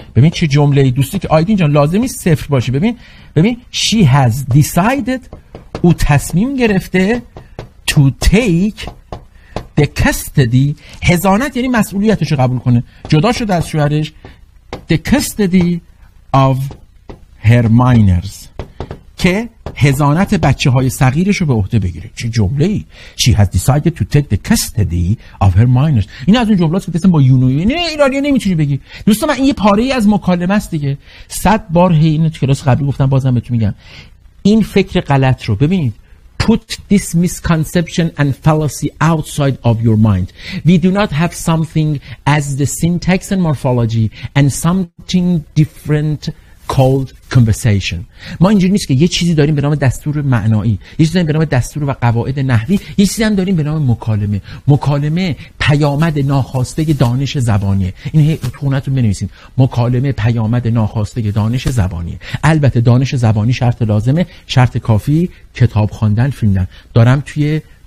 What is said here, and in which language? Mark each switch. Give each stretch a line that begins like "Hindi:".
Persian: ببین چه جمله‌ای دوستی که آیدین جان لازمی صفر باشه. ببین
English: she has decided،
Persian: او تصمیم گرفته
English: to take the custody،
Persian: حضانت یعنی مسئولیتش رو قبول کنه، جدا شده از شوهرش،
English: the custody of her minors،
Persian: که حضانت بچه های صغیرش رو به عهده بگیره. چه جمله ای،
English: she has decided to take the custody of her minors.
Persian: این از اون جملات که دستم با یونوی نه ایرانی نمیتونی بگی. دوستان من این یه پاره ای از مکالمه است دیگه، صد بار هی اینو تو کلاس قبلی گفتم، بازم بهتون میگم این فکر غلط رو ببینید.
English: Put this misconception and fallacy outside of your mind. We do not have something as the syntax and morphology and something different called conversation.
Persian: ما اینجوری نیست که یه چیزی داریم به نام دستور معنایی، یه چیزی داریم به نام دستور و قواعد نحوی، یه چیزی هم داریم به نام مکالمه. مکالمه پیامد ناخواسته دانش زبانیه. این خونتون بنویسید، مکالمه پیامد ناخواسته دانش زبانیه. البته دانش زبانی شرط لازمه، شرط کافی کتاب خواندن، فیلم دیدن. دارم توی